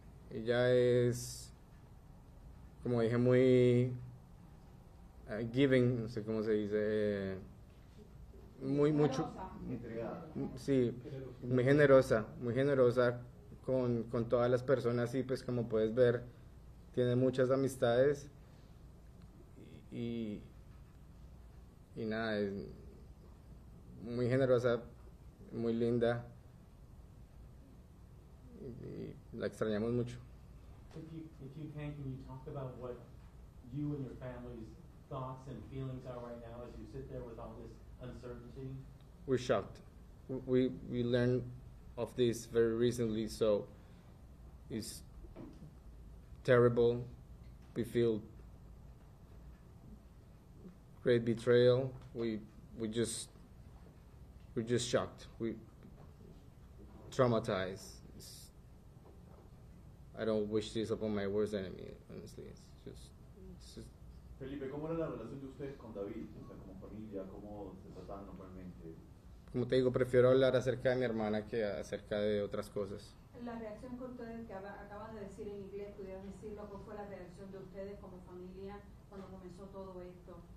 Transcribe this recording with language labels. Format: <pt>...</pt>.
<es>Ella es, como dije, muy giving, no sé cómo se dice, muy mucho, sí, muy generosa con todas las personas, y pues como puedes ver, tiene muchas amistades, y nada, es muy generosa, muy linda, y la extrañamos mucho.</es> <en>If you can you talk about what you and your family's thoughts and feelings are right now as you sit there with all this uncertainty? We're shocked. We learned of this very recently, so it's terrible. We feel great betrayal. We're just shocked. We traumatized. I don't wish this upon my worst enemy, honestly. It's just</en> <es>Felipe, ¿cómo era la relación de ustedes con David? O sea, como familia, ¿cómo se trataban normalmente? Como te digo, prefiero hablar acerca de mi hermana que acerca de otras cosas. Felipe, la reacción que ustedes que acaban de decir en inglés, pudieron decirlo, ¿cuál fue la reacción de ustedes como familia cuando comenzó todo esto?</es>